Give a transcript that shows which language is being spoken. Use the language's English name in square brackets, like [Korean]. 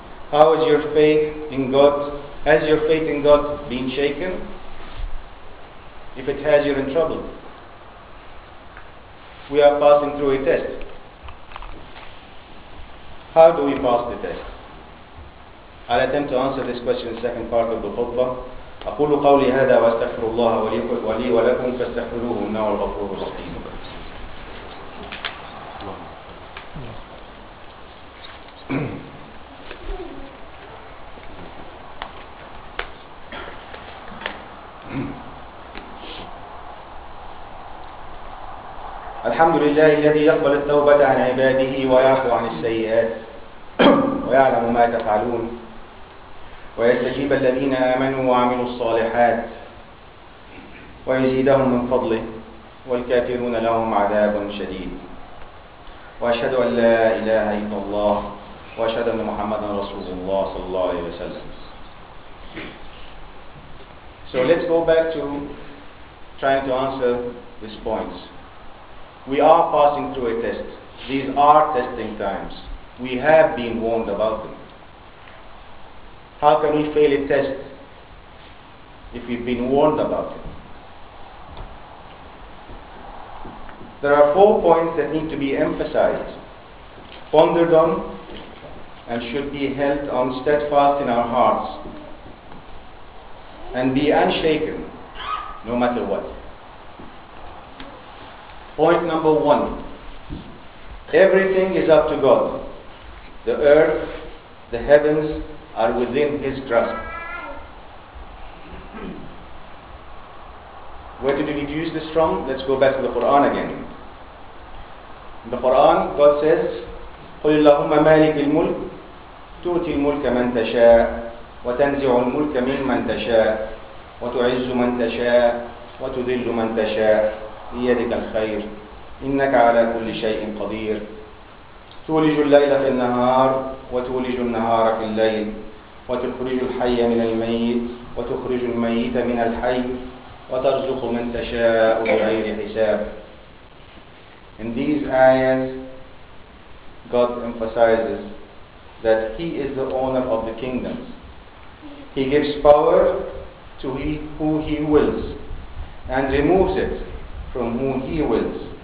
[English] How is your faith in God? Has your faith in God been shaken? If it has, you're in trouble. We are passing through a test. How do we pass the test? I'll attempt to answer this question in the second part of the khutbah. [Arabic] أقول قولي هذا واستغفر الله ولي ولكم فاستغفروه إنه الغفور الرحيم. الحمد لله الذي يقبل التوبة عن عباده ويعفو عن السيئات ويعلم ما تفعلون ويستجيب الذين آمنوا وعملوا الصالحات ويزيدهم من فضله والكافرون لهم عذاب شديد وأشهد أن لا إله إلا الله وأشهد أن محمدا رسول الله صلى الله عليه وسلم. [English] So let's go back to trying to answer these points. We are passing through a test. These are testing times. We have been warned about them. How can we fail a test if we've been warned about it? There are four points that need to be emphasized, pondered on, and should be held on steadfast in our hearts, and be unshaken no matter what. Point number one, everything is up to God. The earth, the heavens are within His grasp. Where did He deduce this from? Let's go back to the Quran again. In the Quran, God says, [Arabic] قُلِ اللَّهُمَّ مَالِكِ الْمُلْكِ تُؤْتِي الْمُلْكَ مَنْ تَشَاءُ وَتَنْزِعُ الْمُلْكَ مِنْ مَنْ تَشَاءُ وَتُعِزُّ مَنْ تَشَاءُ وَتُذِلُّ مَنْ تَشَاءُ بِيَدِكَ الْخَيْرُ إنك على كل شيء قدير تولج الليل في النهار وتولج النهار في الليل وتخرج الحي من الميت وتخرج الميت من الحي وترزق من تشاء بغير حساب. [English] In these ayahs, God emphasizes that He is the owner of the kingdoms. He gives power to who He wills and removes it from whom He wills.